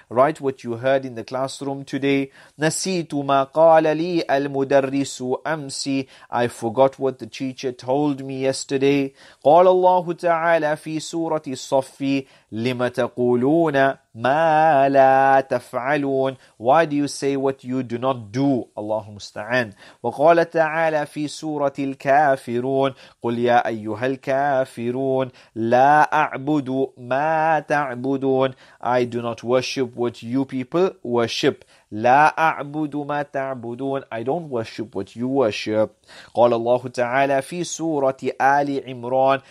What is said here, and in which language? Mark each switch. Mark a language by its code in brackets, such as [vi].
[en] Write what you heard in the classroom today. [ar] نسيت ما قال لي المدرس أمس. [en] I forgot what the teacher told me yesterday. [ar] قال الله تعالى في سورة الصف. لم تقولون ما لا تفعلون. [en] Why do you say what you do not do? [ar] الله مستعان. وقال تعالى في سورة الكافرون. قل يا أيها الكافرون لا أعبد ما تعبدون. [en] I do not worship what you people worship. [ar] لا أعبد ما تعبدون. [en] I don't worship what you worship. [ar] قال الله تعالى في سورة آل عمران.